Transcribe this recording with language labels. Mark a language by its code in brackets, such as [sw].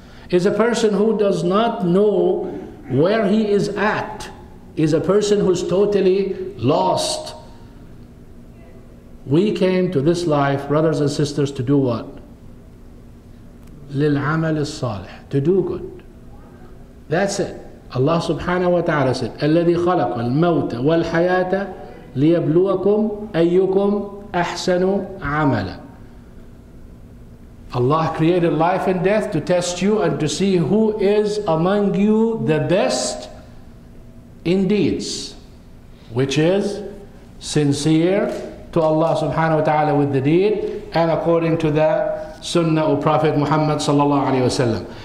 [en] Is a person who does not know where he is at. Is a person who's totally lost. We came to this life, brothers and sisters, to do what? [ar] لِلْعَمَلِ الصَّالِحِ, [en] to do good. That's it. Allah subhanahu wa ta'ala said, [ar] الَّذِي خَلَقَ الْمَوْتَ وَالْحَيَاةَ لِيَبْلُوَكُمْ أَيُّكُمْ أَحْسَنُ عَمَلًا. [en] Allah created life and death to test you and to see who is among you the best in deeds, which is sincere to Allah subhanahu wa ta'ala with the deed and according to the sunnah of Prophet Muhammad sallallahu alayhi wa sallam.